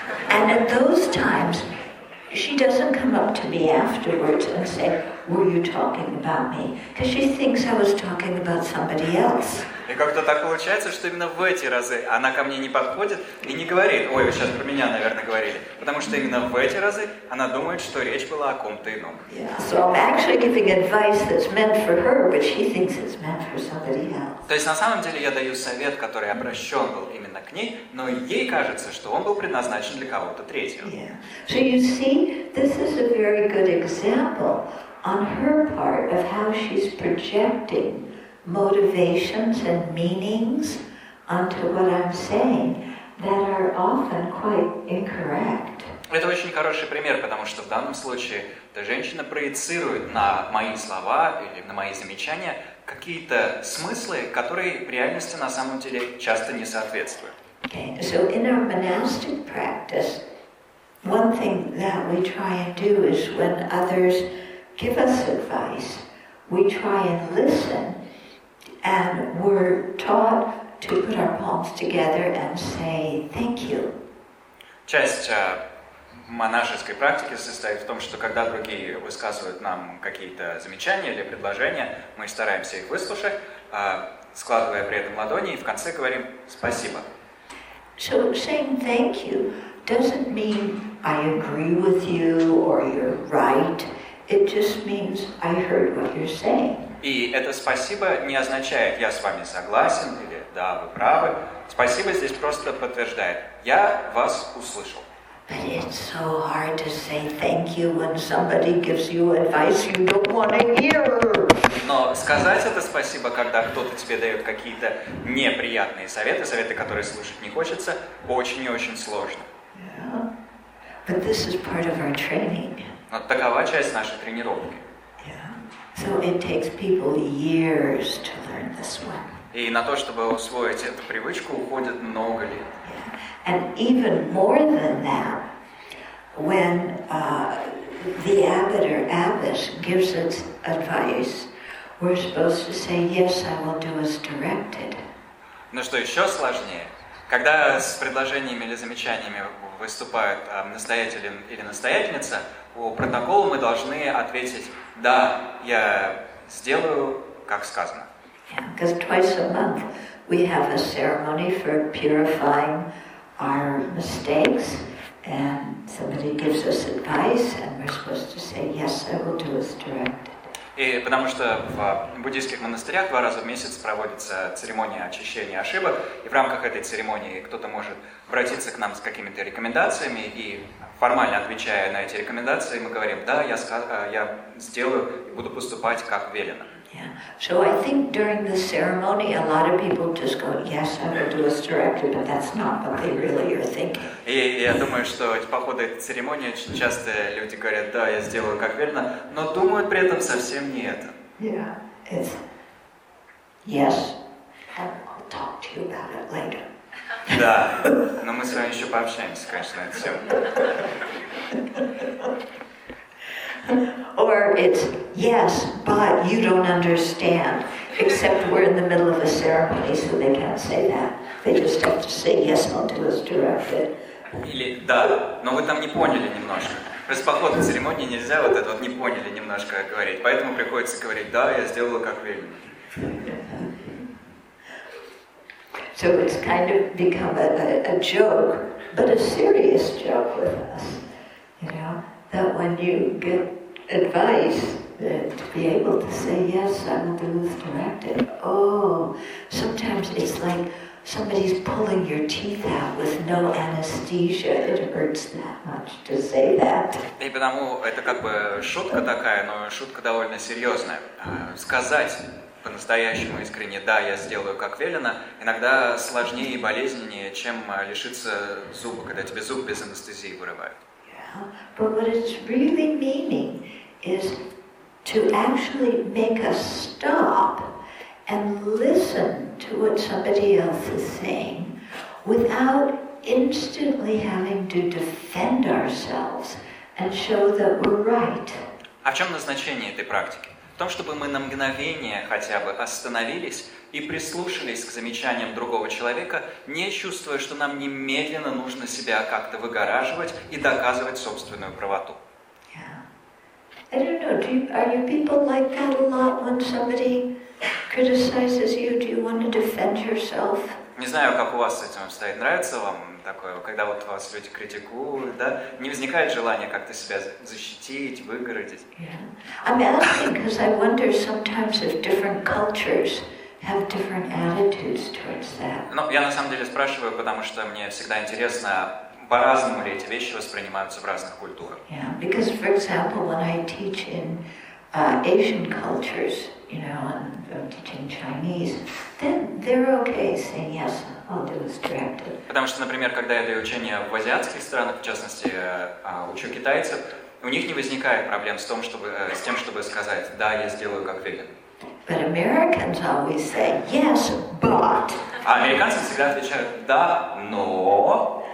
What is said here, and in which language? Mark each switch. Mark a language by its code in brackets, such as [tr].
[en] And at those times, she doesn't come up to me afterwards and say, "Were you talking about me?" Because she thinks I was talking about somebody else. [ru] И как-то так получается, что именно в эти разы она ко мне не подходит и не говорит, "Ой, вы сейчас про меня, наверное, говорили", потому что именно в эти разы она думает, что речь была о ком-то ином. [en] Yeah, so I'm actually giving advice that's meant for her, but she thinks it's meant for somebody else. [ru] То есть на самом деле я даю совет, который обращен был именно к ней, но ей кажется, что он был предназначен для кого-то третьего. [en] Yeah. So you see, this is a very good example on her part of how she's projecting motivations and meanings onto what I'm saying that are often quite incorrect. [ru] Это очень хороший пример, потому что в данном случае эта женщина проецирует на мои слова или на мои замечания какие-то смыслы, которые в реальности на самом деле часто не соответствуют. [en] Okay. So in our monastic practice, one thing that we try and do is when others give us advice, we try and listen. And we're taught to put our palms together and say thank you. [ru] Часть монашеской практики состоит в том, что когда другие высказывают нам какие-то замечания или предложения, мы стараемся их выслушать, складывая при этом ладони, и в конце говорим спасибо. [en] So saying thank you doesn't mean I agree with you or you're right. It just means I heard what you're saying. [ru] И это спасибо не означает «я с вами согласен» или «да, вы правы». Спасибо здесь просто подтверждает «я вас услышал». [en] But it's so hard to say thank you when somebody gives you advice you don't want to hear. [ru] Но сказать это спасибо, когда кто-то тебе дает какие-то неприятные советы, советы, которые слушать не хочется, очень и очень сложно. [en] Yeah. But this is part of our training. [ru] Но такова часть нашей тренировки. [en] So it takes people years to learn this one. [ru] И на то, чтобы усвоить эту привычку, уходит много лет. [en] Yeah. And even more than that, when the abbot or abbess gives us advice, we're supposed to say, "Yes, I will do as directed." [ru] Но что еще сложнее? Когда с предложениями или замечаниями выступают настоятель или настоятельница, по протоколу мы должны ответить «Да, я сделаю, как сказано». [en] Because twice a month we have a ceremony for purifying our mistakes, and somebody gives us advice, and we're supposed to say «Yes, I will do as directed». [ru] И потому что в буддийских монастырях два раза в месяц проводится церемония очищения ошибок, и в рамках этой церемонии кто-то может обратиться к нам с какими-то рекомендациями, и формально отвечая на эти рекомендации, мы говорим, да, я сделаю и буду поступать, как велено. [en] Yeah. So I think during the ceremony a lot of people just go, yes, I will do as directed, but that's not what they really are thinking. [ru] И я думаю, что по ходу этой церемонии часто люди говорят, да, я сделаю как верно, но думают при этом совсем не это. [en] Yeah, it's yes, and I'll talk to you about it later. [ru] Да, но мы с вами еще пообщаемся, конечно, это все. [en] Or it's yes, but you don't understand. Except we're in the middle of a ceremony, so they can't say that. They just have to say yes, I'll do as directed. [ru] Или да, но вы там не поняли немножко. Раз по ходу церемонии нельзя вот это вот не поняли немножко говорить, поэтому приходится говорить да, я сделала как велено. [en] So it's kind of become a joke, but a serious joke with us, you know. That when you get advice, to be able to say, yes, I will do as directed. Oh, sometimes it's like Somebody's pulling your teeth out with no anesthesia. It hurts that much to say that. [ru] И потому это как бы шутка такая, но шутка довольно серьезная. Сказать по-настоящему искренне, да, я сделаю, как велено, иногда сложнее и болезненнее, чем лишиться зуба, когда тебе зуб без анестезии вырывают. [en] But what it's really meaning is to actually make a stop and listen to what somebody else is saying without instantly having to defend ourselves and show that we're right. [ru] А в чем назначение этой практики? В том, чтобы мы на мгновение хотя бы остановились и прислушались к замечаниям другого человека, не чувствуя, что нам немедленно нужно себя как-то выгораживать и доказывать собственную правоту. [en] Yeah. I don't know, are you people like that a lot when somebody criticizes you? Do you want to defend yourself? [ru] Не знаю, как у вас с этим обстоит. Нравится вам такое, когда вот вас люди критикуют, да? Не возникает желания как-то себя защитить, выгородить? [en] Yeah. I'm asking because I wonder sometimes if different cultures have different attitudes towards that. [ru] Ну, я на самом деле спрашиваю, потому что мне всегда интересно, по-разному ли эти вещи воспринимаются в разных культурах. [en] Yeah, because, for example, when I teach in Asian cultures, you know, and teaching Chinese, then they're okay saying yes, I'll do as directed. [ru] Потому что, например, когда я даю учение в азиатских странах, в частности, учу китайцев, у них не возникает проблем с тем, чтобы сказать, да, я сделаю, как велено. [en] But Americans always say yes, but. [ru] А американцы всегда отвечают да, но.